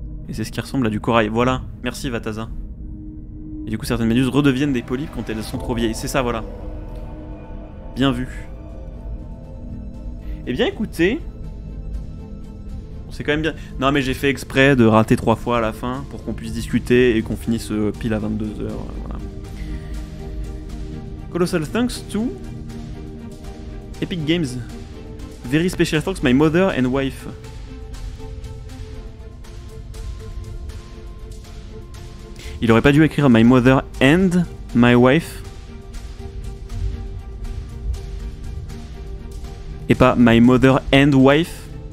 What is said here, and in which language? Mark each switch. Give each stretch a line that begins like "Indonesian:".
French: Et c'est ce qui ressemble à du corail. Voilà. Merci, Vataza. Et du coup, certaines méduses redeviennent des polypes quand elles sont trop vieilles. C'est ça, voilà. Bien vu. Eh bien, écoutez... C'est quand même bien. Non mais j'ai fait exprès de rater 3 fois à la fin pour qu'on puisse discuter et qu'on finisse pile à 22h. Voilà.
English: Colossal thanks to Epic Games. Very special thanks, my mother and wife.
French: Il aurait pas dû écrire
English: my mother and my wife.
French: Et pas
English: my mother and wife.